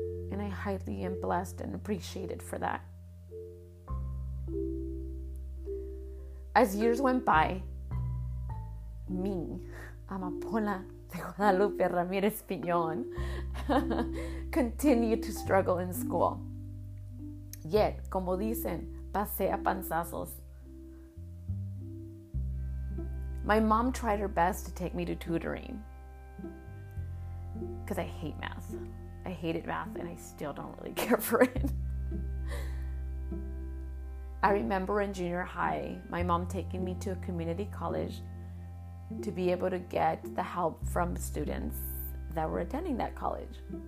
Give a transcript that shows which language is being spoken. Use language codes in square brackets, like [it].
[en] And I highly am blessed and appreciated for that. As years went by, me, Amapola de Guadalupe Ramirez Piñon, continued to struggle in school. [es] Yet, como dicen, pasé a panzazos. [en] My mom tried her best to take me to tutoring because I hate math. I hated math and I still don't really care for it. I remember in junior high, my mom taking me to a community college to be able to get the help from students that were attending that college.